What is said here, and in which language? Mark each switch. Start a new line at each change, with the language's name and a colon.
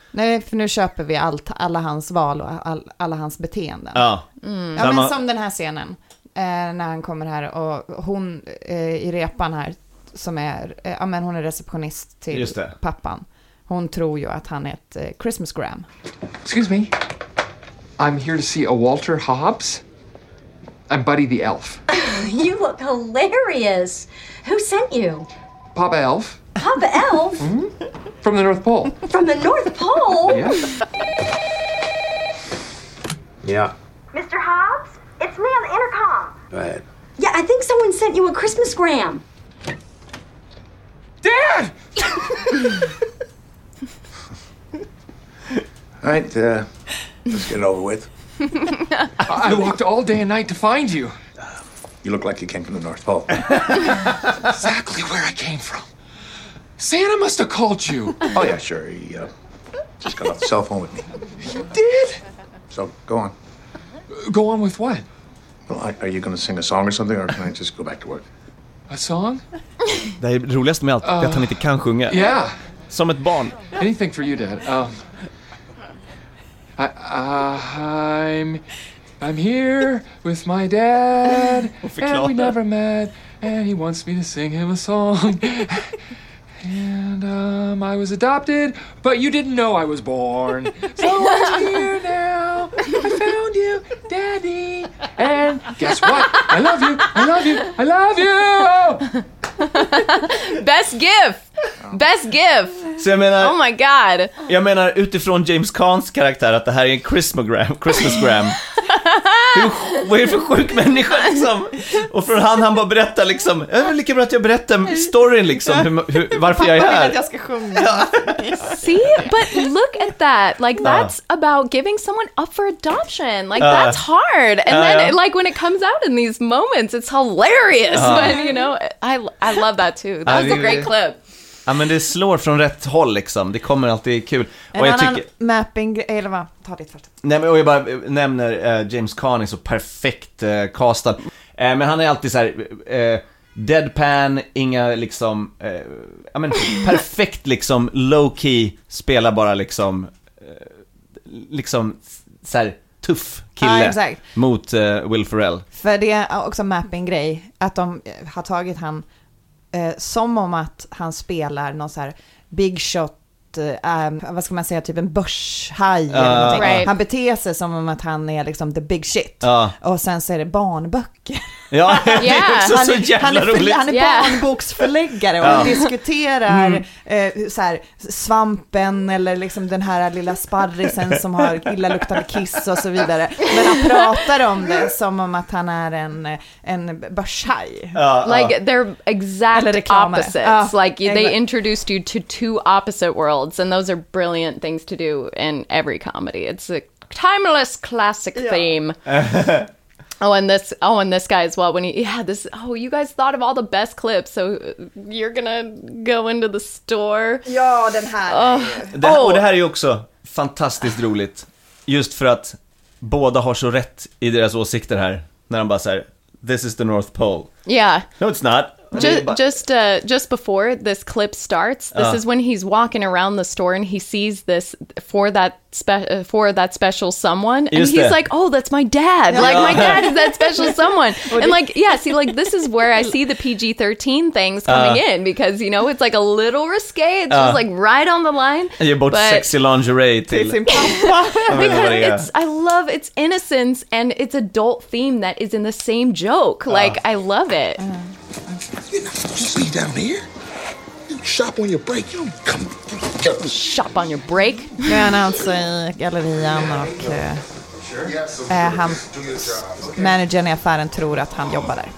Swedish: Nej, för nu köper vi alla hans val och alla hans beteenden. Ja, men som den här scenen när han kommer här och hon i repan här som är, ja men hon är receptionist till pappan. Hon tror ju att han är ett Christmas Graham.
English: Excuse me. I'm here to see a Walter Hobbs. I'm Buddy the Elf. You look hilarious. Who sent you? Papa Elf. Papa Elf? Mm-hmm. From the North Pole. From the North Pole? Yeah. Mr. Hobbs, it's me on the intercom. Go ahead. Yeah, I think someone sent you a Christmas gram. Dad! All right, let's get it over with. I walked all day and night to find you. You look like you came from the North Pole. Exactly where I came from. Santa must have called you. Oh, yeah, sure. He just got off the cell phone with me. He did? So, go on. Go on with what? Well, are you going to sing a song or something, or can I just go back to work? A song?
Swedish: Det roligaste med allt är att han inte kan sjunga.
English: Yeah.
Swedish: Som ett barn.
English: Anything for you, Dad. I'm here with my dad, and we never met, and he wants me to sing him a song. And I was adopted, but you didn't know I was born. So I'm here now. I found you, Daddy. And guess what? I love you. I love you. I love you. Best gift. Best gift.
Swedish: Så jag menar,
English: oh my god.
Swedish: Jag menar utifrån James Caans karaktär att det här är en Christmas gram. Vad är det för sjuk människa liksom? Och för han bara berättar liksom, är det lika bra att jag berättar storyn liksom, varför jag är här. Pappa vill att jag ska sjunga. Ja.
English: See, but look at that. Like that's about giving someone up for adoption. Like that's hard. And then like when it comes out in these moments, it's hilarious. But you know, I love that too. That was a great clip.
Swedish: Ja, men det slår från rätt håll liksom. Det kommer alltid kul. Och en jag annan tycker mapping eller vad, ta ditt först. Nej, men jag bara nämner James Caan så perfekt castad. Men han är alltid så här deadpan, inga liksom ja men perfekt liksom
English: low key,
Swedish: spelar bara liksom liksom så här tuff kille mot Will Ferrell. För det är också mapping grej att de har tagit han som om att han spelar någon så här
English: big shot
Swedish: vad ska man säga, typ en börshaj eller någonting.
English: Right.
Swedish: Han beter sig som om att han är liksom
English: the big shit.
Swedish: Och sen så är det barnböcker. Ja, det är också så jävla roligt. Han är barnboksförläggare och han diskuterar så här, svampen eller liksom den här lilla sparrisen som har illa luktande kiss och så vidare. Men han pratar om det som om att han är en börshaj.
English: Like they're exact opposites. Like they introduced you to two opposite worlds and those are brilliant things to do in every comedy. It's a timeless classic theme. Oh, and this guy as well, oh, you guys thought of all the best clips, so you're gonna go into the store.
Swedish: Ja, den här. Och det här är ju också fantastiskt roligt. Just för att båda har så rätt i deras åsikter här. När de bara säger,
English: this is the North Pole. Yeah. No, it's not. Just before this clip starts, this is when he's walking around the store and he sees this for that special someone. Just and he's
Swedish: det.
English: Like, oh, that's my dad. Yeah. Like, my dad is that special someone. And like, yeah, see, like, this is where I see the PG-13 things coming in because, you know, it's like a little risque. It's just like right on the line. You bought sexy lingerie. I love its innocence and its adult theme that is in the same joke. Like, I love it. Mm. You're not supposed to be down here. You shop on your break. You don't come. Shop on your break?
Swedish: Yeah, no, so gallerian och han managern i affären tror att han jobbar där.